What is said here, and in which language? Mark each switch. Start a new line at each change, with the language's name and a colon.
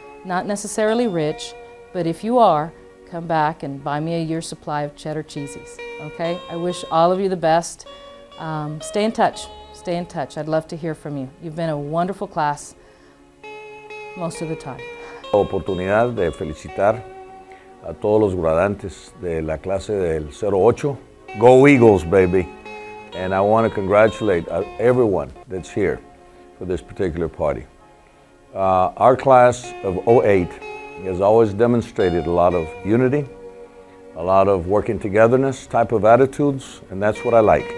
English: Not necessarily rich, but if you are, come back and buy me a year's supply of cheddar cheesies, okay? I wish all of you the best. Stay in touch. Stay in touch. I'd love to hear from you. You've been a wonderful class most of the time.
Spanish: La oportunidad de felicitar a todos los graduantes de la clase del 08.
English: Go Eagles, baby! And I want to congratulate everyone that's here for this particular party. Our class of 08 has always demonstrated a lot of unity, a lot of working togetherness type of attitudes, and that's what I like.